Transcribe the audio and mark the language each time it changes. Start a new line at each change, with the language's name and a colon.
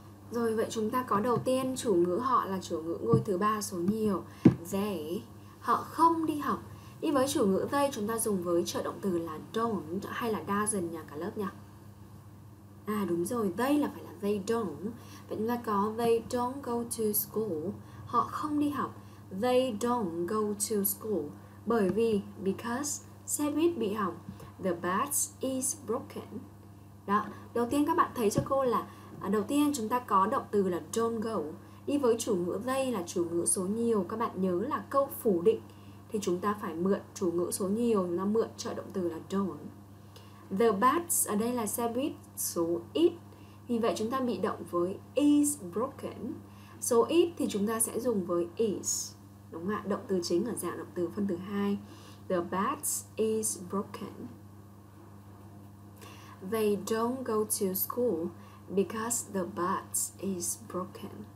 Vietnamese: Rồi vậy chúng ta có đầu tiên chủ ngữ họ là chủ ngữ ngôi thứ ba số nhiều, they. Họ không đi học. Đi với chủ ngữ they chúng ta dùng với trợ động từ là don't hay là doesn't nhà cả lớp nhỉ? À đúng rồi, they là phải là
English: they don't.
Vietnamese: Vậy chúng ta có
English: they don't go to school.
Vietnamese: Họ không đi học.
English: They don't go to school.
Vietnamese: Bởi vì, because, xe buýt bị hỏng.
English: The bus is broken.
Vietnamese: Đó, đầu tiên các bạn thấy cho cô là đầu tiên chúng ta có động từ là don't go. Đi với chủ ngữ they là chủ ngữ số nhiều. Các bạn nhớ là câu phủ định thì chúng ta phải mượn chủ ngữ số nhiều, nó mượn trợ động từ là don't. The bus ở đây là xe buýt số ít. Vì vậy chúng ta bị động với is broken. Số ít thì chúng ta sẽ dùng với is. Đúng không ạ? Động từ chính ở dạng động từ phân từ 2.
English: The bus is broken. They don't go to school because the bus is broken.